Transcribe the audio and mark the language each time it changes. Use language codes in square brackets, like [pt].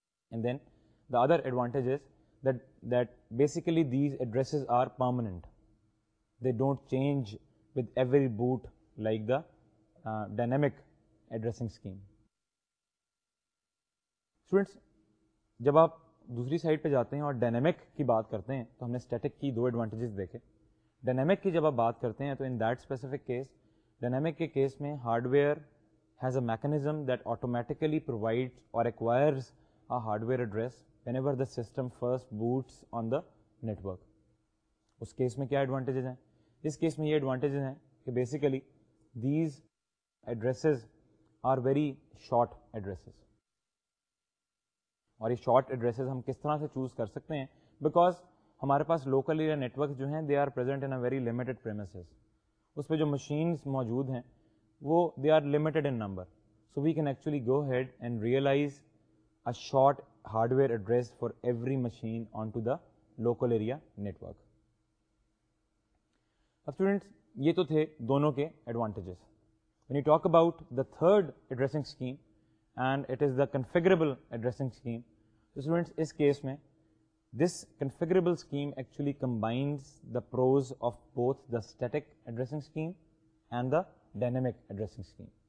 [en] And then the other advantage is that basically these addresses are permanent. They don't change with every boot like the dynamic addressing scheme. [ur] Students, jab aap دوسری side پہ جاتے ہیں اور dynamic کی بات کرتے ہیں تو ہم نے اسٹیٹک کی دو ایڈوانٹیجز دیکھے. ڈائنامک کی جب آپ بات کرتے ہیں تو [en] in that specific case [ur] dynamic کے کیس میں [en] Hardware has a mechanism that automatically provide or acquires a hardware address whenever the system first boots on the network. [ur] اس case میں کیا advantages ہیں؟ اس case میں یہ advantages ہیں کہ [en] basically these addresses are very short addresses, [ur] اور یہ شارٹ ایڈریسز ہم کس طرح سے چوز کر سکتے ہیں بیکاز ہمارے پاس لوکل ایریا نیٹ ورک جو ہیں [en] They are present in a very limited premises. [ur] اس پہ جو مشینز موجود ہیں وہ [en] They are limited in number, so we can actually go head and realize a short hardware address for every machine on to the local area network. [ur] اب students یہ تو تھے دونوں کے advantages. [en] when you talk about the third addressing scheme and it is the configurable addressing scheme, students [ur] اس case میں [en] This configurable scheme actually combines the pros of both the static addressing scheme and the dynamic addressing scheme.